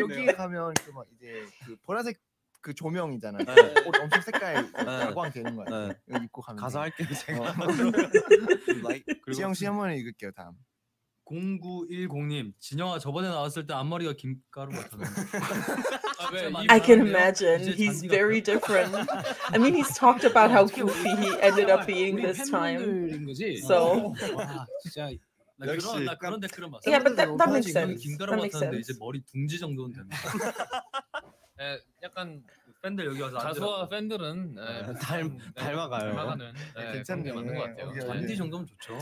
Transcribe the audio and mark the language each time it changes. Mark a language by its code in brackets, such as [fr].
[ko] 여기 가면 그 막 이제 그 보라색 그 조명이잖아. 옷 엄청 색깔 야광 되는 거야. 입고 가면. 가서 할게요 제가. 지영 씨 한 번 읽을게요 다음. 0910님, 진영아 저번에 나왔을 때 앞머리가 김가루 같았는데. [en] I can imagine he's very different. I mean, he's talked about how goofy he ended up being this time. So. [ko] 진짜 나 그런 댓글은 봤어. [en] Yeah, but that makes sense. [ko] 김가루 같았는데 이제 머리 둥지 정도는 됩니다. 에 약간 팬들 여기 와서 자수와 팬들은 닮아가요. 괜찮게 만든 것 같아요. 잔디 정도면 좋죠.